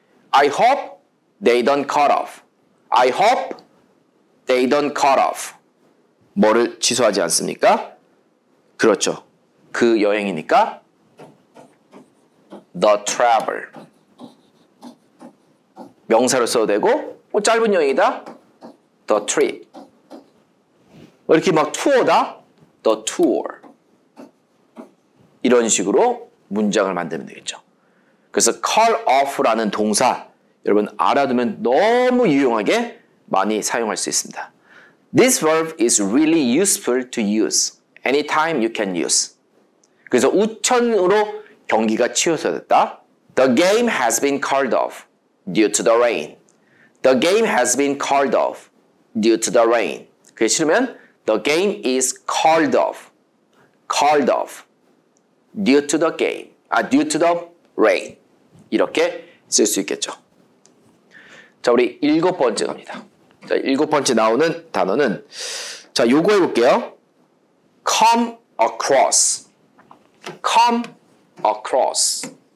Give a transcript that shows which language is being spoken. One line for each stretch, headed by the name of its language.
English: I hope they don't call off I hope they don't call off
Korean: 뭐를 취소하지 않습니까? 그렇죠 그 여행이니까
English: the travel
Korean: 명사로 써도 되고 뭐 짧은 여행이다
English: the trip
Korean: 이렇게 막 투어다
English: the tour
Korean: 이런 식으로 문장을 만들면 되겠죠 그래서 call off라는 동사 여러분 알아두면 너무 유용하게 많이 사용할 수 있습니다
English: this verb is really useful to use anytime you can use
Korean: 그래서 우천으로 경기가 취소됐다
English: the game has been called off due to the rain the game has been called off due to the rain
Korean: 그게 싫으면
English: the game is called off called off due to the game due to the rain
Korean: 이렇게 쓸 수 있겠죠 자 우리 일곱 번째 갑니다 자 일곱 번째 나오는 단어는 자 요거 해볼게요
English: come across come across